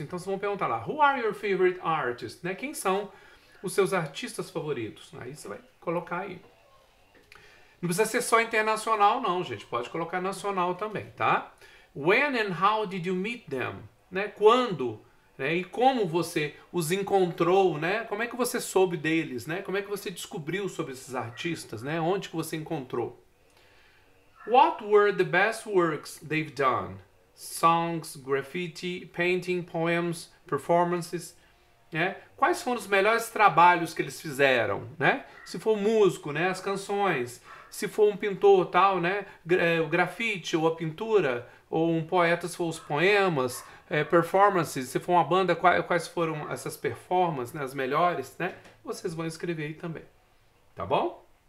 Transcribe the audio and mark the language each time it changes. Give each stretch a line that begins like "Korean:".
Portuguese: Então vocês vão perguntar lá,
English: who are your favorite artists?
Portuguese: Né? Quem são os seus artistas favoritos? Aí você vai colocar aí. Não precisa ser só internacional, não, gente. Pode colocar nacional também, tá?
English: When and how did you meet them?
Portuguese: Né? Quando, né? E como você os encontrou, né? Como é que você soube deles, né? Como é que você descobriu sobre esses artistas, né? Onde que você encontrou?
English: What were the best works they've done? Songs, graffiti, painting, poems, performances.
Portuguese: Né? Quais foram os melhores trabalhos que eles fizeram, né? Se for músico, né? As canções. Se for um pintor tal, né, o grafite ou a pintura, ou um poeta, se for os poemas, performances, se for uma banda, quais foram essas performances, né, as melhores, né, vocês vão escrever aí também, tá bom?